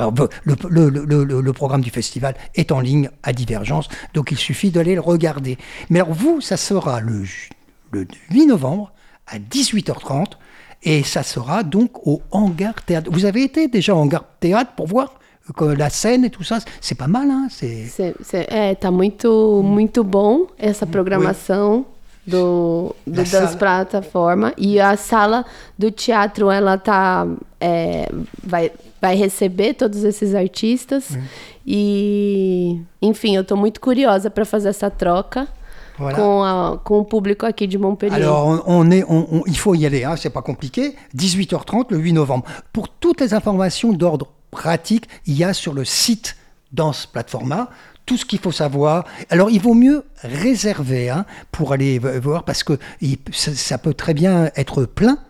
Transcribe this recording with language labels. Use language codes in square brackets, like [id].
[fr] Le programme du festival est en ligne à Divergence, donc il suffit d'aller le regarder. Mais alors vous, ça sera le 8 novembre à 18h30, et ça sera donc au Hangar Théâtre. Vous avez été déjà au Hangar Théâtre pour voir la scène et tout ça, c'est pas mal, hein? [pt] Tá muito, muito bom essa programação. Oui. Do Dance Plataforma. E a sala do teatro, ela tá, vai receber todos esses artistas. E, enfim, eu estou muito curiosa para fazer essa troca. Voilà. Com o público aqui de Montpellier. [fr] Alors, on est, il faut y aller, hein, c'est pas compliqué. 18h30, le 8 novembre. Pour toutes les informations d'ordre pratique, il y a sur le site Dance Plataforma tout ce qu'il faut savoir. Alors, il vaut mieux réserver, hein, pour aller voir, parce que ça peut très bien être plein.